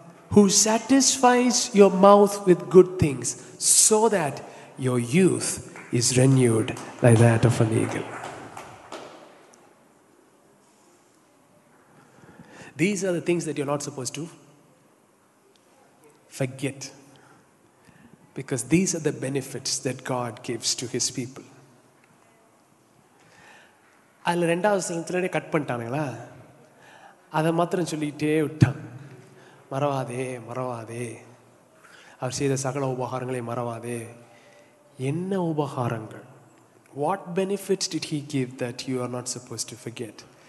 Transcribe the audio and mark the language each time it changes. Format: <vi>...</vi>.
<en>Who satisfies your mouth with good things so that your youth is renewed like that of an eagle. These are the things that you're not supposed to forget. Because these are the benefits that God gives to his people.</en> <ta>அதில் ரெண்டாவது சிலத்திலே cut பண்ணிட்டானுங்களா, அதை மாத்திரம் சொல்லிகிட்டே விட்டாங்க. மறவாதே மறவாதே, அவர் செய்த சகல உபகாரங்களை மறவாதே. என்ன உபகாரங்கள்?</ta> <en>What benefits did he give that you are not supposed to forget?</en>